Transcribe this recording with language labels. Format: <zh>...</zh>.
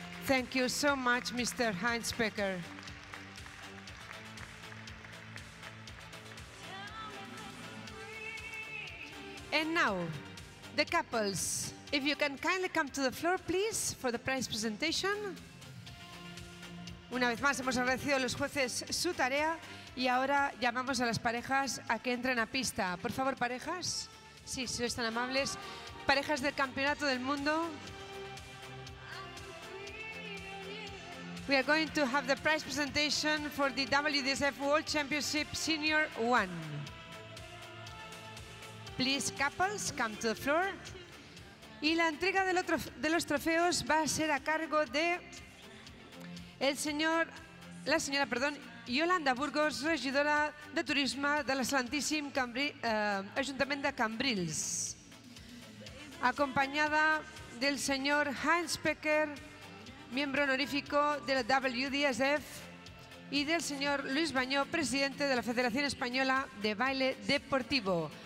<en>Thank you so much, Mr. Heinz Becker. And now, the couples. If you can kindly come to the floor, please, for the prize presentation.</en> <es>Una vez más, hemos agradecido a los jueces su tarea y ahora llamamos a las parejas a que entren a pista. Por favor, parejas. Sí, si son tan amables. Parejas del Campeonato del Mundo.</es> <en>We are going to have the prize presentation for the WDSF World Championship Senior One. Please, couples, come to the floor.</en> <es>Y la entrega del otro, de los trofeos va a ser a cargo de el señor, la señora, perdón, Yolanda Burgos, regidora de Turismo de la Santísima Ayuntamiento de Cambrils, acompañada del señor Heinz Becker, miembro honorífico de la WDSF, y del señor Luis Bañó, presidente de la Federación Española de Baile Deportivo.</es>